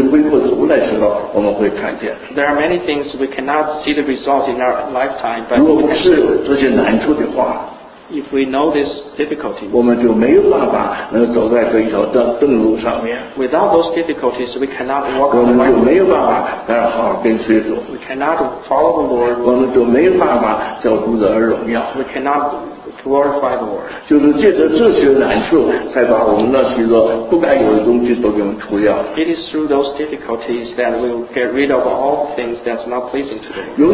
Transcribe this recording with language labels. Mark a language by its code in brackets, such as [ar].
[zh] 有的事情纵然是今生我们看不见，但是将来我们回顾的时候，我们会看见。 [en] There are many things we cannot see the result in our lifetime, but [zh] 如果不是这些难处的话， [en] if we know this difficulty, [zh] 我们就没有办法能走在这一条正路上面。 [en] Without those difficulties, we cannot walk. [zh] 我们就没有办法好好跟随主。 [en] We cannot follow the Lord. [zh] 我们就没有办法叫主得荣耀。 [en] We cannot glorify the Lord. [zh] 就是借着这些难处，才把我们那许多不该有的东西都给我们除掉。 [en] It is through those difficulties that we will get rid of all things that's not pleasing to the Lord.